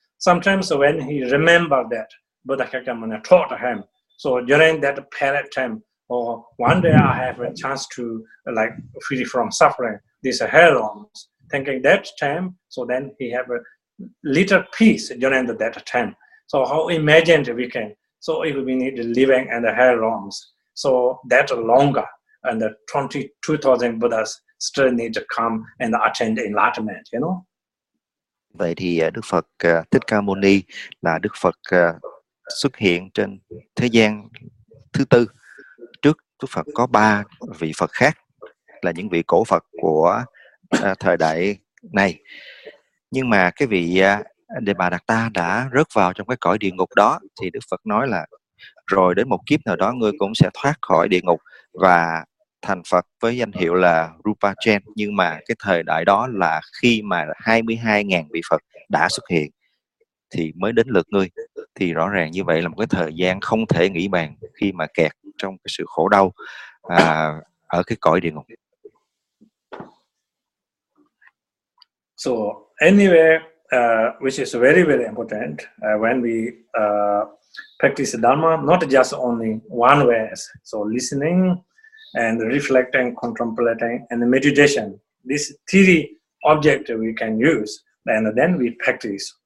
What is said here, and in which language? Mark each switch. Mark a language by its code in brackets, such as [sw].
[en] Sometimes when he remember that Buddha Shakyamuni taught him, so during that period time, or one day I have a chance to like free from suffering, these hair realms, thinking that time, so then he have a little peace during that time. So how imagined we can, so if we need living and the hair realms, so that longer, and the 22,000 Buddhas still need to come and attend enlightenment, you know? [vi] Vậy thì Đức Phật Thích Ca Mâu Ni là Đức Phật xuất hiện trên thế gian thứ tư. Trước Đức Phật có ba vị Phật khác là những vị cổ Phật của thời đại này. Nhưng mà cái vị Đề Bà Đạt Ta đã rớt vào trong cái cõi địa ngục đó, thì Đức Phật nói là rồi đến một kiếp nào đó ngươi cũng sẽ thoát khỏi địa ngục và thành Phật với danh hiệu là Rinpoche. Nhưng mà cái thời đại đó là khi mà 22.000 vị Phật đã xuất hiện thì mới đến lượt ngươi. Thì rõ ràng như vậy là một cái thời gian không thể nghĩ bàn khi mà kẹt trong cái sự khổ đau ở cái cõi địa ngục. [en] So anyway, which is very very important, when we practice Dharma, not just only one way, so listening and reflecting, contemplating, and meditation. This three object we can use, and then we practice.